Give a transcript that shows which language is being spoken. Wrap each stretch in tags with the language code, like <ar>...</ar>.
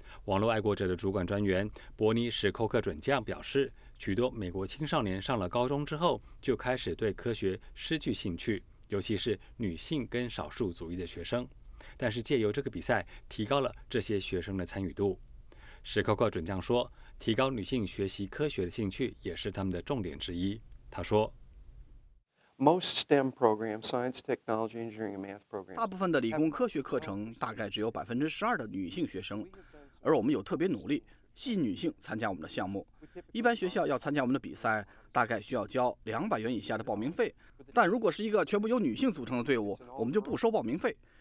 <zh>网络爱国者的主管专员伯尼史寇克准将表示，许多美国青少年上了高中之后就开始对科学失去兴趣，尤其是女性跟少数族裔的学生，但是借由这个比赛提高了这些学生的参与度。史寇克准将说，提高女性学习科学的兴趣也是他们的重点之一。他说，</zh> <en>Most STEM programs, science, technology, engineering, and math programs.</en> <zh>大部分的理工科学课程大概只有12%的女性学生，而我们有特别努力吸引女性参加我们的项目。一般学校要参加我们的比赛，大概需要交200元以下的报名费。但如果是一个全部由女性组成的队伍，我们就不收报名费。</zh>